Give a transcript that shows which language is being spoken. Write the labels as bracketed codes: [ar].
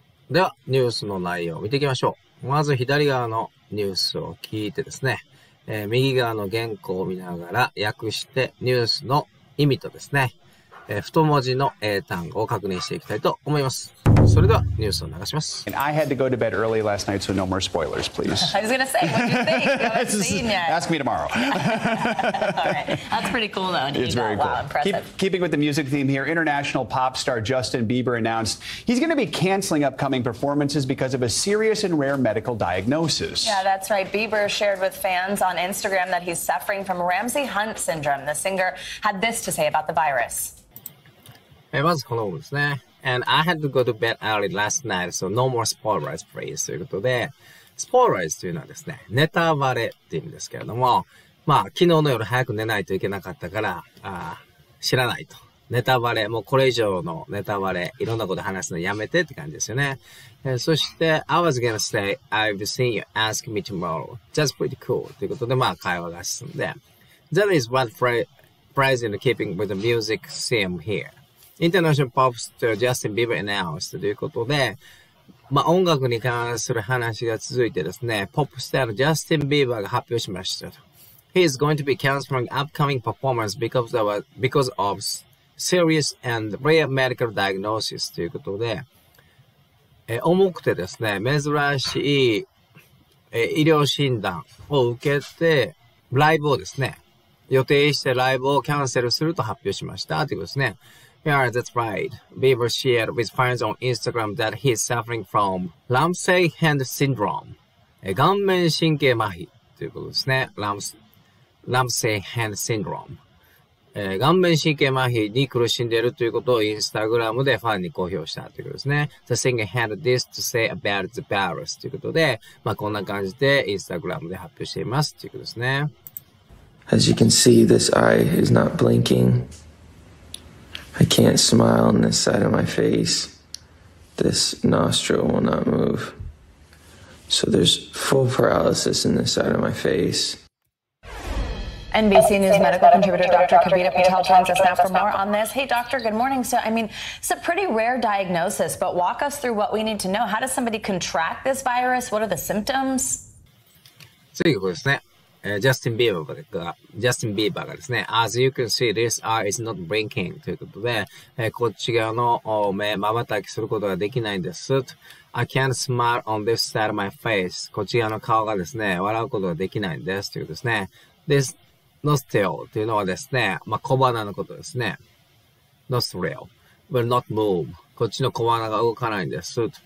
[ja] では、ニュースの内容を見ていきましょう。まず左側のニュースを聞いてですね、右側の原稿を見ながら訳してニュースの意味とですね、太文字の英単語を確認していきたいと思います。それではニュースを流します。 [en] And I had to go to bed early last night, so no more spoilers, please. I was going to say, what do you think? Just, ask me tomorrow. All right. That's pretty cool though. It's very cool. Wow, keeping with the music theme here, international pop star Justin Bieber announced he's going to be canceling upcoming performances because of a serious and rare medical diagnosis. Yeah, that's right. Bieber shared with fans on Instagram that he's suffering from Ramsey-Hunt syndrome. The singer had this to say about the virus. Hey, what's going on with that? And I had to go to bed early last night, so no more spoilers, please. [ja] ということで、spoilers というのはですね、ネタバレっていう意味ですけれども、まあ、昨日の夜早く寝ないといけなかったから、知らないと。ネタバレ、もうこれ以上のネタバレ、いろんなこと話すのやめてって感じですよね。そして、 [en] I was gonna say, I've seen you ask me tomorrow. That's pretty cool. [ja] ということで、まあ、会話が進んで。 [en] That is what prize in keeping with the music theme here. [ja] インターナショナルポップスター、ジャスティン・ビーバー・アナウンスということで、まあ音楽に関する話が続いてですね、ポップスターのジャスティン・ビーバーが発表しました。 [en] He is going to be canceling upcoming performance because of serious and rare medical diagnosis [ja] ということで、重くてですね、珍しい、医療診断を受けて、ライブをですね、予定してライブをキャンセルすると発表しましたということですね。 [en] Yeah, that's right. Bieber shared with fans on Instagram that he's suffering from Ramsey-Hunt syndrome. [ja] 顔面神経麻痺ということですね。 [en] Ramsey-Hunt syndrome. [ja] 顔面神経麻痺に苦しんでいるということを Instagram でファンに公表したということですね。 [en] The singer had this to say about the virus [ja] ということで、まあこんな感じで Instagram で発表していますということですね。 [en] As you can see, this eye is not blinking. I can't smile on this side of my face. This nostril will not move. So there's full paralysis in this side of my face. NBC News medical contributor Dr. Kavita Patel joins us now for more on this. Hey, doctor, good morning. So, I mean, it's a pretty rare diagnosis, but walk us through what we need to know. How does somebody contract this virus? What are the symptoms? See you, Chris. Yeah. [ja] ジャスティン・ビーバーがですね、 [en] As you can see, this eye is not blinking [ja] ということで、こっち側の目、まばたきすることができないんです。 [en] I can't smile on this side of my face. [ja] こっち側の顔がですね、笑うことができないんですというですね。 [en] This nostril [ja] というのはですね、まあ、小鼻のことですね。 [en] Nostril will not move. [ja] こっちの小鼻が動かないんです。